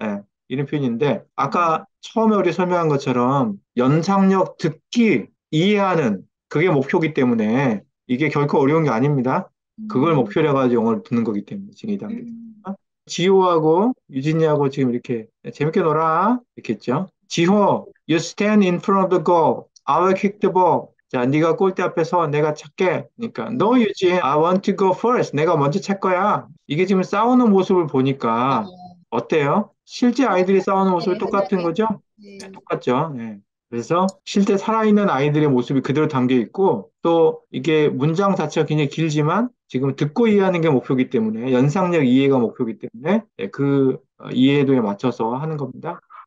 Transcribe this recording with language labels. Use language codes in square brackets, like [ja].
[ko] 네, 이런 표현인데, 아까 처음에 우리 설명한 것처럼 연상력 듣기, 이해하는 그게 목표기 때문에 이게 결코 어려운 게 아닙니다. 그걸 목표로 해가지고 영어를 듣는 거기 때문에 지금 이 단계. 지호하고 유진이하고 지금 이렇게 재밌게 놀아. 이렇게 했죠. [en] 지호, you stand in front of the goal. I will kick the ball. [ko] 자, 네가 골대 앞에서 내가 찾게. 그러니까, [en] No, 유진. I want to go first. [ko] 내가 먼저 찰 거야. 이게 지금 싸우는 모습을 보니까 어때요? 실제 아이들이 싸우는 모습이 똑같은 거죠? 네, 똑같죠. 네. 그래서 실제 살아있는 아이들의 모습이 그대로 담겨 있고, 또 이게 문장 자체가 굉장히 길지만, 지금 듣고 이해하는 게 목표이기 때문에, 연상력 이해가 목표이기 때문에, 네, 그 이해도에 맞춰서 하는 겁니다.